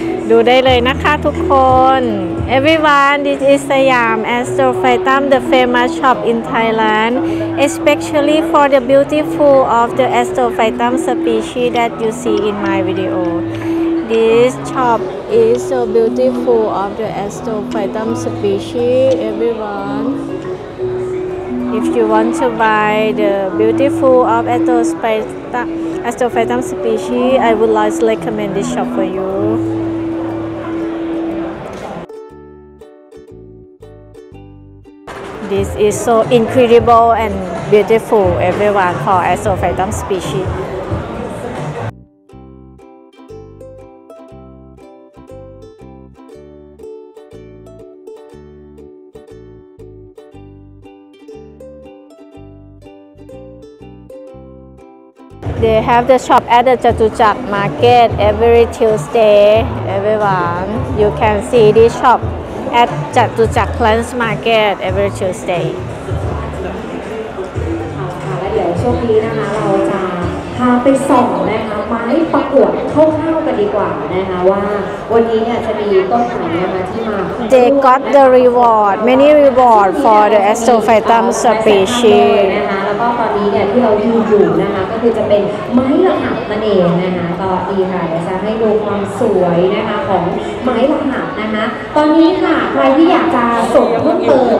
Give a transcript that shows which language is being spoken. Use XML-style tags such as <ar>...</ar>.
<th>ดูได้เลยนะคะทุกคน</th> <en>Everyone this is สยามแอสโตไฟตัม the famous shop in Thailand especially for the beautiful of the แอสโตไฟตัม species that you see in my videoThis shop is so beautiful of the Astrophytum species, everyone. If you want to buy the beautiful of Astrophytum species, I would like to recommend this shop for you. This is so incredible and beautiful, everyone call Astrophytum species. They have the shop at the Chatuchak Market every Tuesday, everyone. You can see this shop. At Chatuchak Plants Market every Tuesday.</en> <th>และเดี๋ยวช่วงนี้นะคะเราจะพาไปส่องนะคะไม้ประกวดคร่าวๆกันดีกว่านะคะว่าวันนี้เนี่ยจะมีต้นไหนนะคะที่มา</th> <en>They got the reward many reward for the Astrophytum species</en> <th>นะคะแล้วก็ตอนนี้เนี่ยที่เราอยู่นะคะก็คือจะเป็นไม้ละหับนั่นเองนะคะตอนนี้ค่ะเดี๋ยวจะให้ดูความสวยนะคะของไม้ละหับตอนนี้ค่ะใครที่อยากจะส่งเพิ่มเติม</th>